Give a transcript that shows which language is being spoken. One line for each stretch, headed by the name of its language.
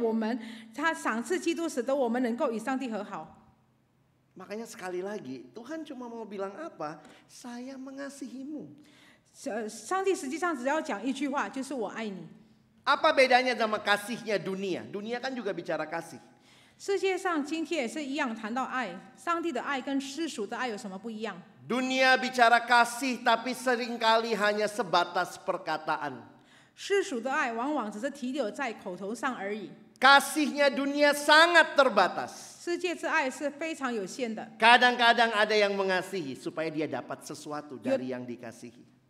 Chinese: 所以呢，当主耶稣，当上帝讲到说他爱我们的时候，他讲到基督的时候呢，并不是焦点在基督身上，而是呢为了我们，他赏赐基督，使得我们能够与上帝和好。
Indonesian: Makanya sekali lagi, Tuhan cuma mau bilang apa? Saya mengasihimu.
Chinese: 上帝实际上只要讲一句话，就是我爱你。
Indonesian: Apa bedanya sama kasihnya dunia? Dunia kan juga bicara kasih.
Chinese: 世界上今天也是一样谈到爱，上帝的爱跟世俗的爱有什么不一样？
Indonesian: Dunia bicara kasih, tapi seringkali hanya sebatas perkataan.
Chinese: 世俗的爱往往只是停留在口头上而已。
Indonesian: Kasihnya dunia sangat terbatas.
Chinese: 世界之爱是非常有限的。
Indonesian: Kadang-kadang ada yang mengasihi supaya dia dapat sesuatu dari yang dikasihi.